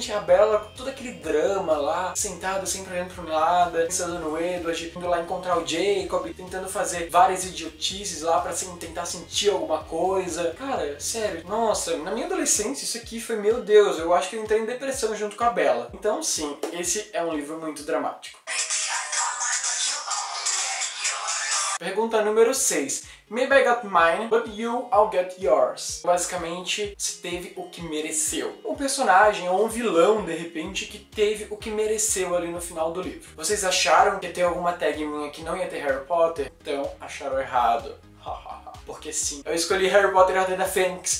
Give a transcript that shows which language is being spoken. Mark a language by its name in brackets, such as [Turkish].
[Portuguese] Gente, a Bella, com todo aquele drama lá, sentada, sempre olhando pro nada, pensando no Edward, indo lá encontrar o Jacob, tentando fazer várias idiotices lá pra assim, tentar sentir alguma coisa. Cara, sério, nossa, na minha adolescência isso aqui foi, meu Deus, eu acho que eu entrei em depressão junto com a Bella. Então, sim, esse é um livro muito dramático. Pergunta número 6. [English] Maybe I got mine, but you, I'll get yours. [Portuguese] Basicamente, se teve o que mereceu. Um personagem ou um vilão, de repente, que teve o que mereceu ali no final do livro. Vocês acharam que ia ter alguma tag minha que não ia ter Harry Potter? Então, acharam errado. Porque sim, eu escolhi Harry Potter e a Ordem da Fênix.